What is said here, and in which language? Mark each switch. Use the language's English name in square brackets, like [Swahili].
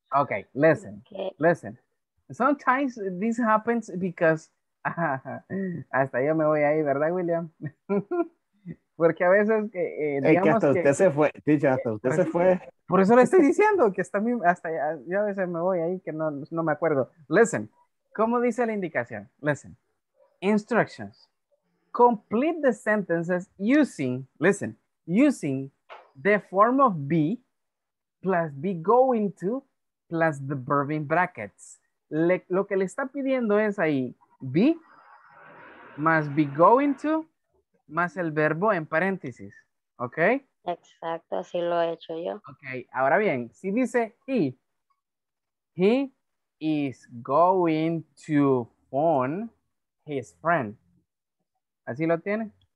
[English] Okay, listen. Okay. Listen. Sometimes this happens because [Spanish] hasta yo me voy ahí, ¿verdad, [English] William? [Spanish] Porque a veces que digamos que hasta usted que, se fue, dicha, hasta usted se fue. Por eso le estoy diciendo que hasta mí, hasta yo a veces me voy ahí que no me acuerdo. Listen. ¿Cómo dice la indicación? Listen. Instructions. [English] Complete the sentences using, listen, using the form of be plus be going to plus the verb in brackets. [Spanish] Lo que le está pidiendo es ahí be más be going to más el verbo en paréntesis. ¿Ok? Exacto, así lo he hecho yo. Ok, ahora bien, si dice [English] he is going to phone his friend. [Spanish] ¿Así lo tiene?